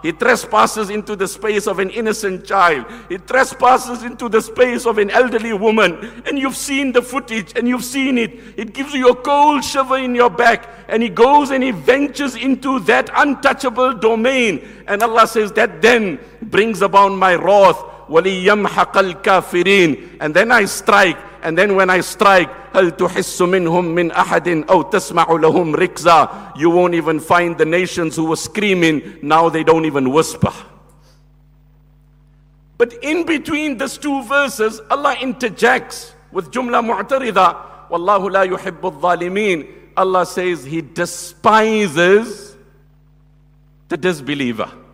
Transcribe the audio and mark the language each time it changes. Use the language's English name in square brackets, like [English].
[English] He trespasses into the space of an innocent child. He trespasses into the space of an elderly woman. And you've seen the footage and you've seen it. It gives you a cold shiver in your back. And he goes and he ventures into that untouchable domain. And Allah says, that then brings about my wrath. [Arabic] وَلِيَمْحَقَ الْكَافِرِينَ. [English] And then I strike. And then when I strike, [Arabic] هَلْ تُحِسُّ مِنْهُمْ مِنْ أَحَدٍ أَوْ تَسْمَعُ لَهُمْ رِكْزًا. [English] You won't even find the nations who were screaming. Now they don't even whisper. But in between these two verses, Allah interjects with جملة معترضة. [Arabic] وَاللَّهُ لَا يُحِبُّ الظَّالِمِينَ. [English] Allah says He despises the disbeliever.